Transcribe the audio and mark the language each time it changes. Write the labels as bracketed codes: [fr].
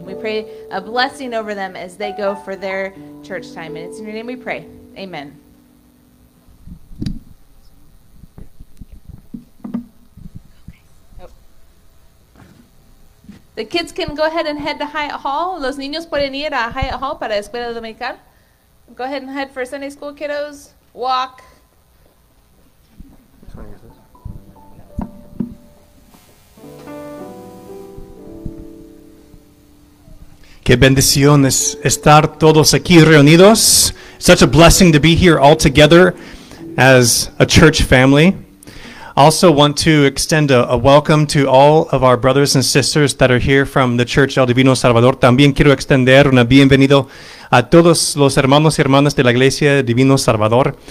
[en] We pray a blessing over them as they go for their church time. And it's in your name we pray. Amen. The kids can go ahead and head to Hyatt Hall. [es] Los niños pueden ir a Hyatt Hall para Escuela Dominical. [en] Go ahead and head for Sunday school, kiddos. Walk. [es] Qué bendición es estar todos aquí reunidos. [en] Such a blessing to be here all together as a church family. Also want to extend a welcome to all of our brothers and sisters that are here from the Church El Divino Salvador. [es] También quiero extender una bienvenido a todos los hermanos y hermanas de la Iglesia Divino Salvador.